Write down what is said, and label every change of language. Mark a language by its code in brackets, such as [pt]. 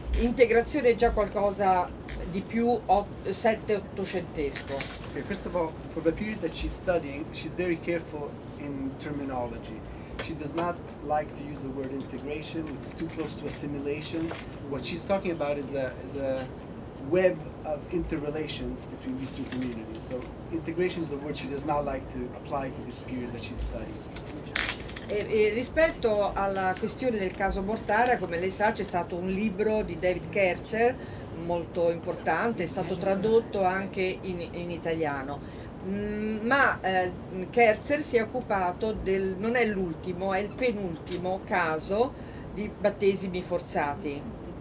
[it] Integrazione è già qualcosa di più sette-ottocentesco. [en] Okay, first of all, for the period that she's studying, she's very careful in terminology. She does not like to use the word integration. It's too close to assimilation. What she's talking about is a web of interrelations between these two communities. So integration is a word she does not like to apply to this period that she's studying. [it] E rispetto alla questione del caso Mortara, come lei sa, c'è stato un libro di David Kerzer molto importante, è stato tradotto anche in italiano. Ma Kerzer si è occupato del, non è l'ultimo, è il penultimo caso di battesimi forzati.